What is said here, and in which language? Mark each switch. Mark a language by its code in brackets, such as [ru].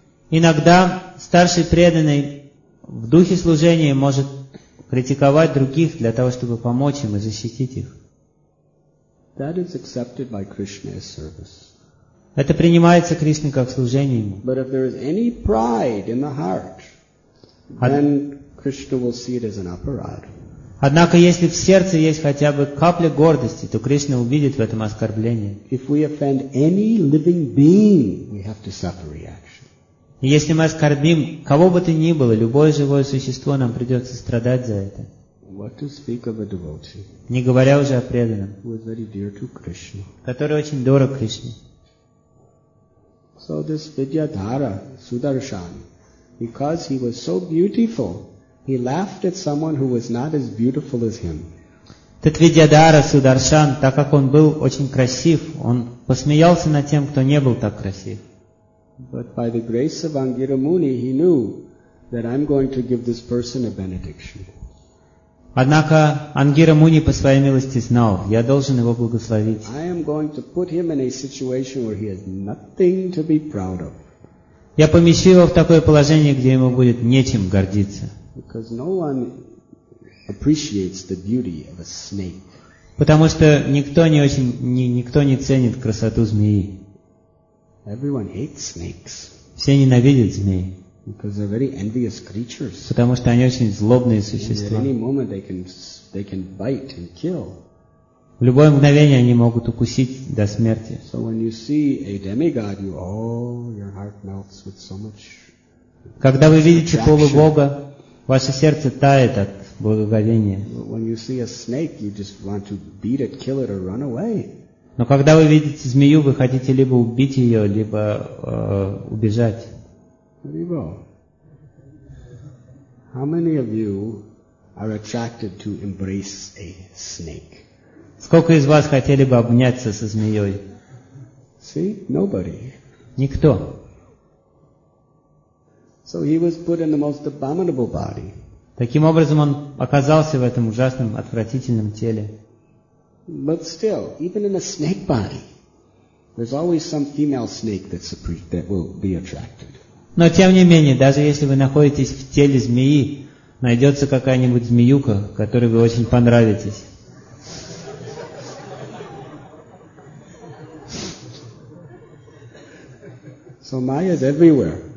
[ru] Иногда старший преданный в духе служения может критиковать других для того, чтобы помочь им и защитить их. [en] That is accepted by Krishna as service. [ru] Это принимается Кришной как служение ему. [en] But if there is any pride in the heart, then Krishna will see it as an aparad. [ru] Однако, если в сердце есть хотя бы капля гордости, то Кришна увидит в этом оскорбление. [en] If we offend any living being, we have to suffer reaction. [ru] Если мы оскорбим кого бы то ни было, любое живое существо, нам придется страдать за это. [en] What to speak of a devotee, [ru] не говоря уже о преданном, [en] who is very dear to Krishna. [ru] Который очень дорог Кришне. [en] So this Vidyadhara, Sudarshan, because he was so beautiful, he laughed at someone who was not as beautiful as him. [ru] Этот Видьядхара Сударшан, так как он был очень красив, он посмеялся над тем, кто не был так красив. [en] But by the grace of Ангира Муни, he knew that I'm going to give this person a benediction. [ru] Однако Ангира Муни по своей милости знал, я должен его благословить. [en] I am going to put him in a situation where he has nothing to be proud of. [ru] Я помещу его в такое положение, где ему будет нечем гордиться. [en] Because no one appreciates the beauty of a snake. [ru] Потому что никто не ценит красоту змеи. [en] Everyone hates snakes. [ru] Все ненавидят змей. [en] Because they're very envious creatures. [ru] Потому что они очень злобные существа. [en] And at any moment they can bite and kill. [ru] В любое мгновение они могут укусить до смерти. [en] So when you see a demigod, your heart melts with so much. [ru] Когда вы видите полубога, ваше сердце тает от благоговения. [en] When you see a snake, you just want to beat it, kill it, or run away. [ru] Но когда вы видите змею, вы хотите либо убить ее, либо убежать. [en] How many of you are attracted to embrace a snake? [ru] Сколько из вас хотели бы обняться со змеей? [en] See? Nobody. [ru] Никто. [en] So he was put in the most abominable body. [ru] Таким образом, он оказался в этом ужасном, отвратительном теле. [en] But still, even in a snake body, there's always some female snake that will be attracted. [ru] Но тем не менее, даже если вы находитесь в теле змеи, найдется какая-нибудь змеюка, которой вы очень понравитесь. [en] So Maya is everywhere.